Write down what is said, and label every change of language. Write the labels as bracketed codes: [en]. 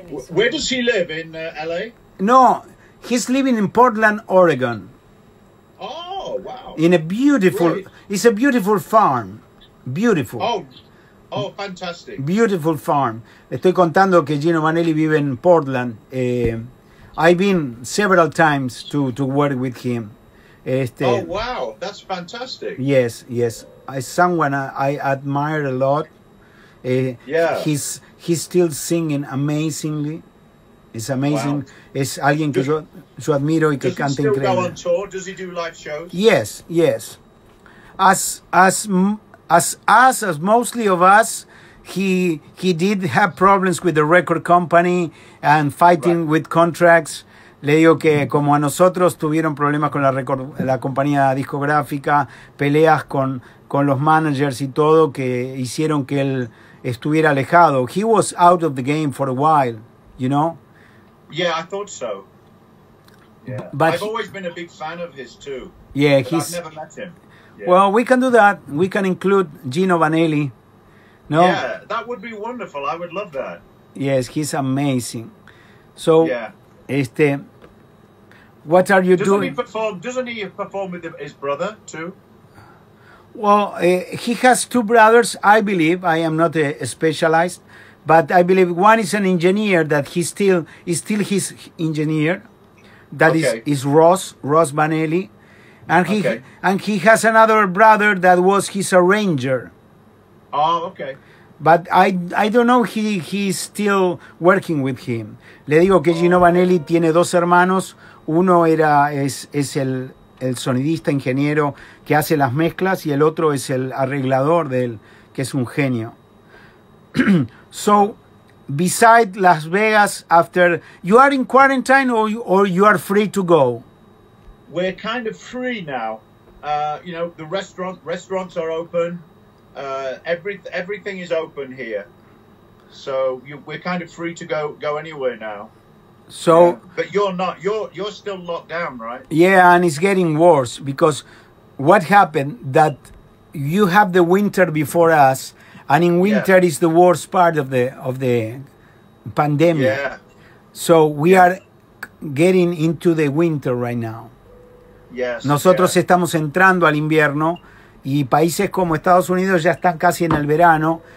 [en] Where does he live in LA? No, he's living in Portland, Oregon. Oh, wow. In a beautiful, really? It's a beautiful farm. Beautiful. Oh, fantastic. Beautiful farm. [es] Estoy contando que Gino Vanelli vive en Portland. [en] I've been several times to work with him. Oh, wow. That's fantastic. Yes. Someone I admire a lot. He's still singing amazingly. It's amazing. Wow. [es] Es alguien que yo admiro y que canta increíble. [en] Does he still go on tour? Does he do live shows? Yes. As mostly of us, he did have problems with the record company and fighting with contracts. [es] Le digo que como a nosotros tuvieron problemas con la compañía discográfica, peleas con los managers y todo que hicieron que él estuviera alejado. [en] He was out of the game for a while, you know? Yeah, I thought so. Yeah. But I've always been a big fan of his too. Yeah, but I've never met him. Yeah. Well, we can do that. We can include Gino Vanelli. No? Yeah, that would be wonderful. I would love that. Yes, he's amazing. So, yeah. What are you doing? Doesn't he perform with his brother too? Well, he has two brothers, I believe. I am not a specialist, but I believe one is an engineer that he's still his engineer. That is Ross Vanelli. And he has another brother that was his arranger. Oh, okay. But I don't know he's still working with him. [es] Le digo que Gino Vanelli tiene dos hermanos. Uno es el sonidista ingeniero que hace las mezclas y el otro es el arreglador de él, que es un genio. [en] So, beside Las Vegas, after, you are in quarantine or you are free to go? We're kind of free now. You know, the restaurants are open. Everything is open here. So, we're kind of free to go anywhere now. So, yeah, but you're not. You're still locked down, right? Yeah, and it's getting worse because what happened that you have the winter before us, and in winter is the worst part of the pandemic. Yeah. So we are getting into the winter right now. Yes. [es] Nosotros estamos entrando al invierno, y países como Estados Unidos ya están casi en el verano.